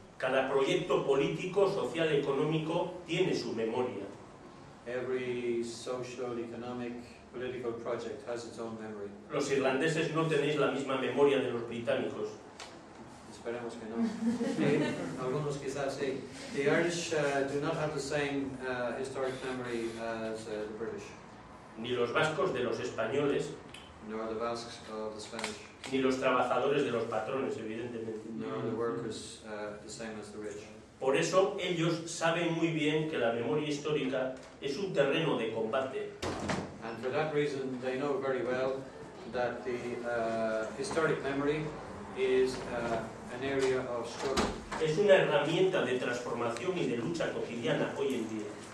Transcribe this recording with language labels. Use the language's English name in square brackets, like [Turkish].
[Spanish] Cada proyecto político, social, económico tiene su memoria. [English] Every social, economic, political project has its own memory. [Spanish] Los irlandeses no tenéis la misma memoria de los británicos. Esperemos que no. Algunos quizás sí. [English] The Irish do not have the same historic memory as the British. [Spanish] Ni los vascos de los españoles. [English] Nor the Basques of the Spanish. [Spanish] Ni los trabajadores de los patrones, evidentemente. [English] Nor the workers the same as the rich. [Spanish] Por eso ellos saben muy bien que la memoria histórica es un terreno de combate. [English] And for that reason, they know very well that the historic memory is an area of struggle. [Spanish] Es una herramienta de transformación y de lucha cotidiana hoy en día.